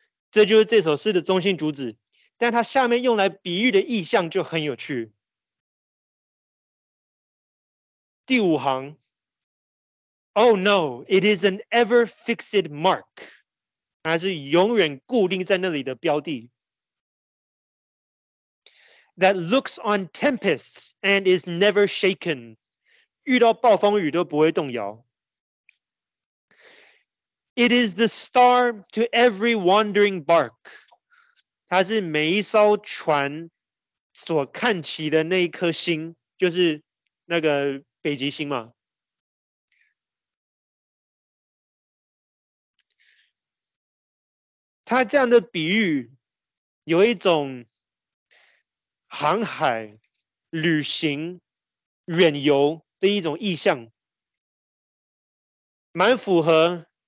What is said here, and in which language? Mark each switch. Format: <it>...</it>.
<zh>这就是这首诗的中心主旨，但它下面用来比喻的意象就很有趣。第五行。</zh> <en>Oh no, it is an ever-fixed mark.</en> <zh>它是永远固定在那里的标的。</zh> <en>That looks on tempests and is never shaken.</en> <zh>遇到暴风雨都不会动摇。</zh> <en>It is the star to every wandering bark.</en> <zh>它是每一艘船所看起的那一颗星，就是那个北极星嘛。他这样的比喻有一种航海、旅行、远游的一种意象，蛮符合。</zh>